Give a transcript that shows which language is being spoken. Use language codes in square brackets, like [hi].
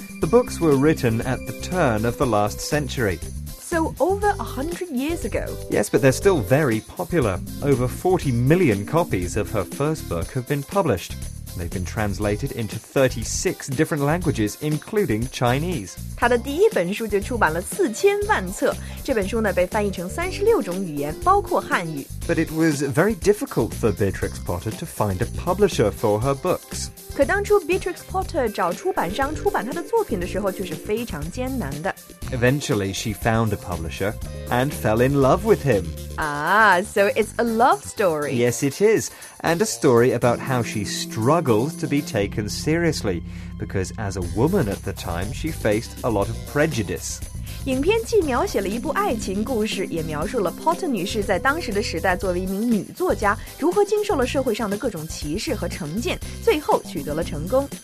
[en] The books were written at the turn of the last century. So over 100 years ago. Yes, but they're still very popular. Over 40 million copies of her first book have been published. They've been translated into 36 different languages, including Chinese. [zh] 他的第一本书就出版了4000万册，这本书呢被翻译成36种语言，包括汉语。 [en] But it was very difficult for Beatrix Potter to find a publisher for her books. [zh] 可当初 Beatrix Potter 找出版商出版她的作品的时候却是非常艰难的。 [en] Eventually, she found a publisher and fell in love with him. Ah, so it's a love story. Yes, it is. And a story about how she struggled to be taken seriously, because as a woman at the time, she faced a lot of prejudice. [zh] 影片既描写了一部爱情故事，也描述了 Potter 女士在当时的时代作为一名女作家，如何经受了社会上的各种歧视和成见，最后取得了成功。